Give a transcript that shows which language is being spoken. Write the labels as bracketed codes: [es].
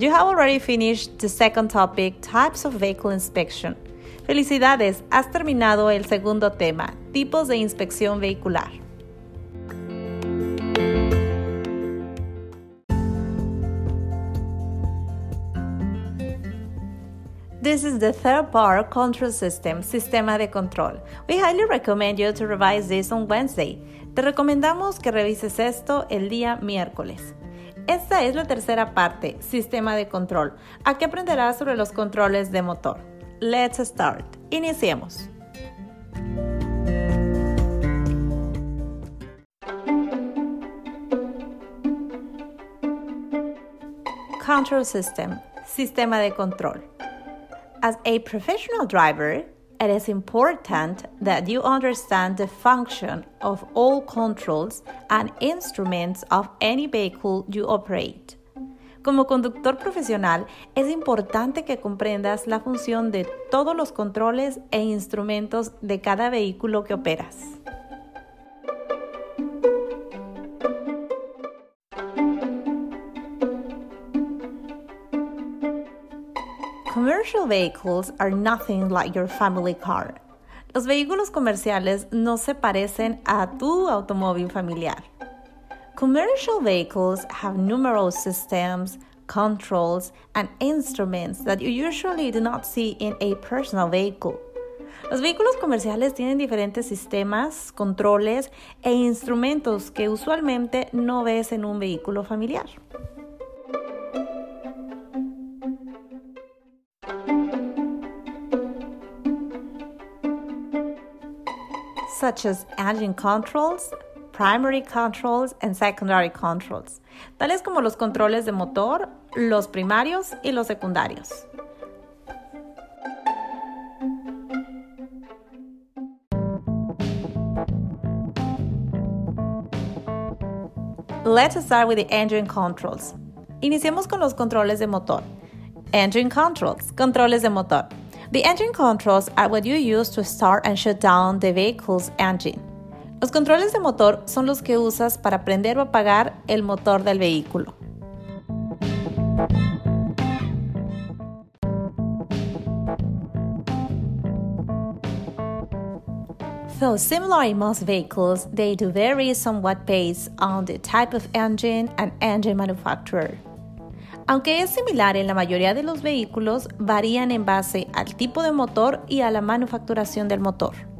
[en] You have already finished the second topic, types of vehicle inspection. [es] Felicidades! Has terminado el segundo tema, tipos de inspección vehicular. [en] This is the third part, control system, [es] sistema de control. [en] We highly recommend you to revise this on Wednesday. [es] Te recomendamos que revises esto el día miércoles. Esta es la tercera parte, sistema de control. Aquí aprenderás sobre los controles de motor. [en] Let's start. [es] Iniciemos. [en] Control system, [es] sistema de control. [en] As a professional driver, it is important that you understand the function of all controls and instruments of any vehicle you operate. [es] Como conductor profesional, es importante que comprendas la función de todos los controles e instrumentos de cada vehículo que operas. [en] Commercial vehicles are nothing like your family car. [es] Los vehículos comerciales no se parecen a tu automóvil familiar. [en] Commercial vehicles have numerous systems, controls, and instruments that you usually do not see in a personal vehicle. [es] Los vehículos comerciales tienen diferentes sistemas, controles, e instrumentos que usualmente no ves en un vehículo familiar. [en] Such as engine controls, primary controls, and secondary controls, [es] tales como los controles de motor, los primarios y los secundarios. [en] Let's start with the engine controls. [es] Iniciemos con los controles de motor. [en] Engine controls, [es] controles de motor. [en] The engine controls are what you use to start and shut down the vehicle's engine. [es] Los controles de motor son los que usas para prender o apagar el motor del vehículo. [en] Though similar in most vehicles, they do vary somewhat based on the type of engine and engine manufacturer. [es] Aunque es similar en la mayoría de los vehículos, varían en base al tipo de motor y a la manufacturación del motor.